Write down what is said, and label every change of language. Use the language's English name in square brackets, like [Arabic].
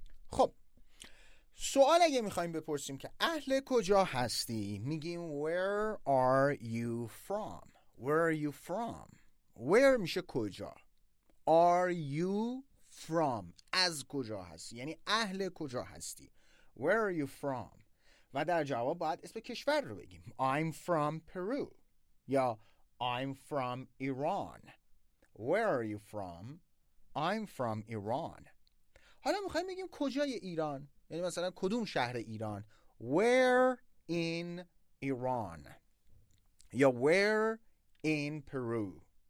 [Persian] خب سوال اگه میخواییم بپرسیم که اهل کجا هستی میگیم [English] Where are you from? Where are you from? [Persian] Where میشه کجا؟ [English] Are you from؟ [Persian] از کجا هستی؟ یعنی اهل کجا هستی؟ [English] Where are you from؟ [Persian] و در جواب باید اسم کشور رو بگیم. [English] I'm from Peru. یا I'm from Iran. Where are you from? I'm from Iran. [Persian] حالا میخواییم بگیم کجای ایران؟ یعنی مثلا کدوم شهر ایران؟ [English] Where in Iran? یا where in Peru?